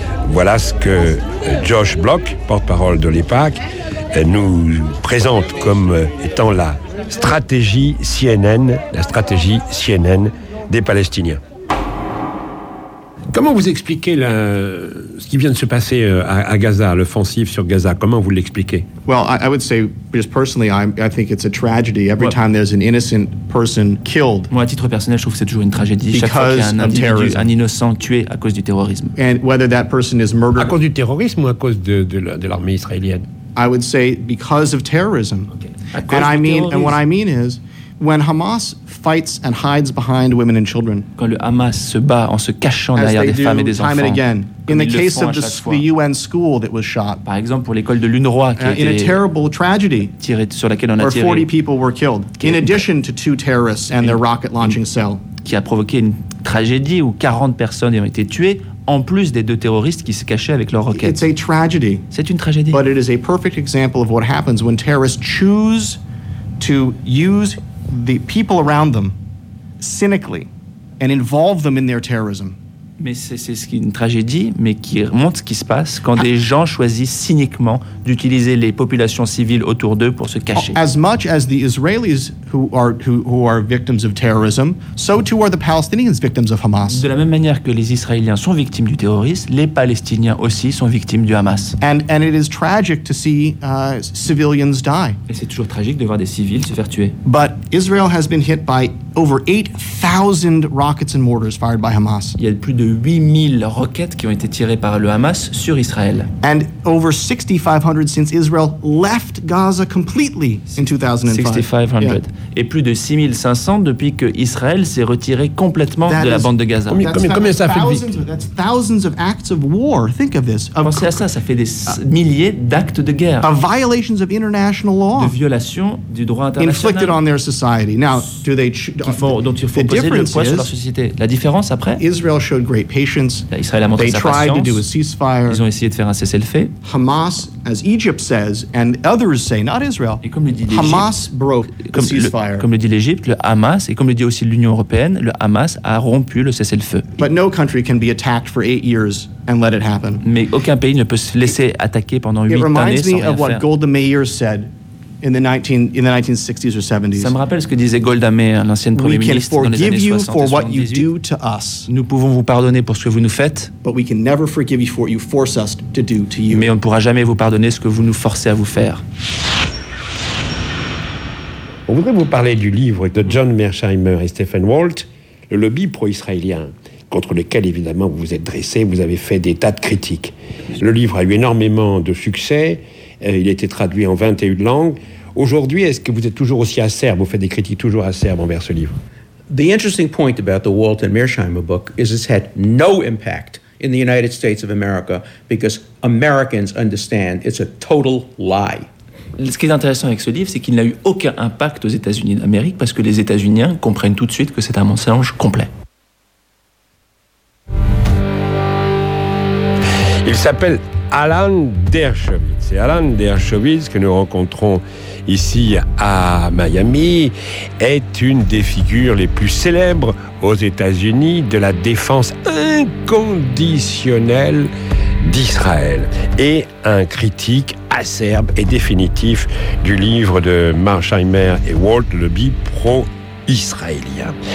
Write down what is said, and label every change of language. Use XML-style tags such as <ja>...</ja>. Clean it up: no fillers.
<fr>Voilà ce que Josh Block, porte-parole de l'EPAC, nous présente comme étant la stratégie CNN, des Palestiniens. Comment vous expliquez ce qui vient de se passer à Gaza, l'offensive sur Gaza? Comment vous l'expliquez?</fr> <en>Well, I would say, just personally, I think it's a tragedy every time there's an innocent person killed.</en> <fr>Moi, à titre personnel, je trouve que c'est toujours une tragédie chaque fois qu'il y a un innocent tué à cause du terrorisme.</fr> <en>And whether that person is murdered.</en> <fr>À cause du terrorisme ou à cause de l'armée israélienne?</fr> <en>I would say because of terrorism. Okay. And what I mean is, when Hamas fights and hides behind women and children.</en> <fr>Quand le Hamas se bat en se cachant derrière des femmes et des enfants.</fr> <en>Time and again. In the case of the UN school that was shot.</en> <fr>Par exemple pour l'école de l'UNRWA qui a été</fr> <en>a terrible tragedy.</en> <fr>Tiré sur laquelle on a tiré.</fr> <en>40 people were killed. In addition to two terrorists and their rocket launching cell.</en> <fr>Qui a provoqué une tragédie où 40 personnes ont été tuées en plus des deux terroristes qui se cachaient avec leurs roquettes.</fr> <en>It's a tragedy.</en> <fr>C'est une tragédie.</fr> <en>But it is a perfect example of what happens when terrorists choose to use the people around them cynically and involve them in their terrorism.</en> <fr>Mais c'est une tragédie, mais qui montre ce qui se passe quand des gens choisissent cyniquement d'utiliser les populations civiles autour d'eux pour se cacher.</fr> <en>As much as the Israelis who are victims of terrorism, so too are the Palestinians victims of Hamas.</en> <fr>De la même manière que les Israéliens sont victimes du terrorisme, les Palestiniens aussi sont victimes du Hamas.</fr> <en>And it is tragic to see civilians die.</en> <fr>Et c'est toujours tragique de voir des civils se faire tuer.</fr> <en>But Israel has been hit by over 8,000 rockets and mortars fired by Hamas.</en> <fr>Il y a plus de 8,000 roquettes qui ont été tirées par le Hamas sur Israël.</fr> <en>And over 6,500 since Israel left Gaza completely in 2005. 6,500. Yeah.</en> <fr>Et plus de 6,500 depuis que Israël s'est retiré complètement de la bande de Gaza. Combien ça fait de victimes?</fr> <en>That's thousands of acts of war. Think of this.</en> <fr>Pensez à ça, ça fait des milliers d'actes de guerre.</fr> <en>Of violations of international law.</en> <fr>De violations du droit international.</fr> <en>Inflicted on their society. Now,</en> <fr>qu'il faut, dont il faut poser le poids sur leur société. La différence après, Israël a montré sa patience. Ils ont essayé de faire un cessez-le-feu.</fr> <en>Hamas, as Egypt says, and others say, not Israel.</en> <fr>Et comme le dit l'Égypte,</fr> <en>Hamas broke the ceasefire.</en> <fr>Comme le dit l'Égypte, le Hamas, et comme le dit aussi l'Union européenne, le Hamas a rompu le cessez-le-feu.</fr> <en>But no country can be attacked for 8 years and let it happen.</en> <fr>Mais aucun pays ne peut se laisser attaquer pendant 8 années sans rien faire.</fr> <en>It reminds me of what Golda Meir said. In the 1960s or 70s.</en> <fr>Ça me rappelle ce que disait Golda Meir, l'ancienne Premier ministre, dans les années 60 et 78. Nous pouvons vous pardonner pour ce que vous nous faites, mais on ne pourra jamais vous pardonner ce que vous nous forcez à vous faire. On voudrait vous parler du livre de John Mersheimer et Stephen Walt, Le lobby pro-israélien, contre lequel, évidemment, vous vous êtes dressé, vous avez fait des tas de critiques. Le livre a eu énormément de succès. Il a été traduit en 21 langues. Aujourd'hui, est-ce que vous êtes toujours aussi acerbe, vous faites des critiques toujours acerbes envers ce livre?</fr> <en>The interesting point about the Walt and Mersheimer book is it's had no impact in the United States of America because Americans understand it's a total lie.</en> <fr>Ce qui est intéressant avec ce livre, c'est qu'il n'a eu aucun impact aux États-Unis d'Amérique parce que les États-Unis comprennent tout de suite que c'est un mensonge complet. Il s'appelle Alan Dershowitz. C'est Alan Dershowitz que nous rencontrons ici à Miami, est une des figures les plus célèbres aux États-Unis de la défense inconditionnelle d'Israël et un critique acerbe et définitif du livre de Mersheimer et Walt, le lobby pro-israélien.</fr>